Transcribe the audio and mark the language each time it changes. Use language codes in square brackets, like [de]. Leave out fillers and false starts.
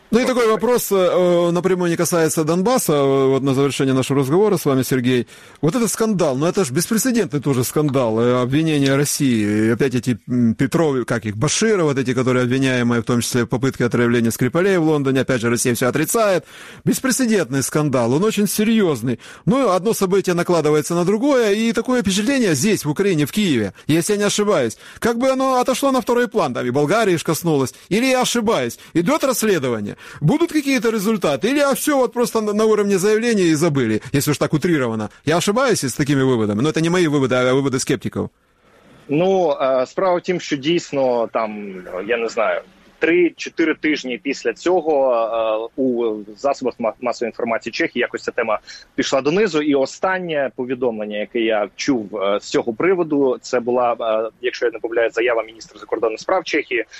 [uk] Ну і такий вопрос напряму не касається Донбаса, от на завершення нашого розговору з вами, Сергій. Ось цей скандал, ну це ж безпрецедентний теж скандал, обвинення Росії, опять ці Петрові, як їх, Баширов, ці, які обвиняємо, в тому числі попытки отравлення Скрипалей в Лондоні, опять же Росія все отрицає. Безпрецедентний скандал, він дуже серйозний. [ru] Ну, одне событие накладывается на другое, і таке впечатление здесь, в Україні, в Києві, [uk] якщо я не [ru] ошибаюсь, как бы оно отошло на второй план, там і Болгарія, і ж или я ошибаюсь? Идет расследование? Будут какие-то результаты? Или все вот просто на уровне заявления и забыли, если уж так утрировано? Я ошибаюсь с такими выводами? Но это не мои выводы, а выводы скептиков. [uk] Ну, справа в том, что действительно, там, я не знаю, 3-4 тижні після цього у засобах масової інформації Чехії якось ця тема пішла донизу. І останнє повідомлення, яке я чув з цього приводу, це була, якщо я не помиляюсь, заява міністра закордонних справ Чехії.